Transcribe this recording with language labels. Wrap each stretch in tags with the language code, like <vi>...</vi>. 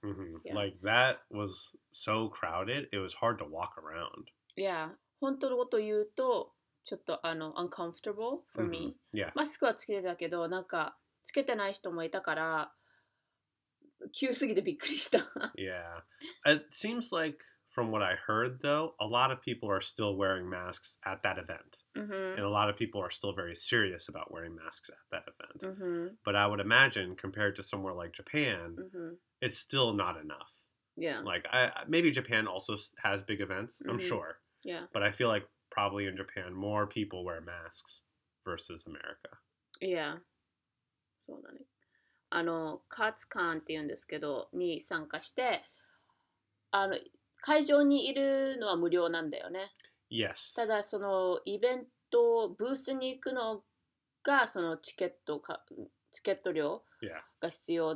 <en>Mm-hmm. Yeah. Like that was so crowded, it was hard to walk around.</en> <ja>Yeah, 本当のこと言うと、ちょっと</ja> <en>uncomfortable for me. Mm-hmm. Yeah.</en> <ja>マスクはつけてたけど、なんかつけてない人もいたから、急すぎてびっくりした。</ja> <en>Yeah, it seems like... From what I heard, though, a lot of people are still wearing masks at that event. Mm-hmm. And a lot of people are still very serious about wearing masks at that event. Mm-hmm. But I would imagine, compared to somewhere like Japan, mm-hmm. it's still not enough. Yeah. Like, maybe Japan also has big events, mm-hmm. I'm sure. Yeah. But I feel like probably in Japan, more people wear masks versus America.</en> <ja>Yeah. そうだね。あの、カツカンって言うんですけど、に参加して、あの、会場にいるのは無料なんだよね。</ja> <en>Yes.</en> <ja>ただそのイベントブースに行くのがそのチケット料が必要、</ja>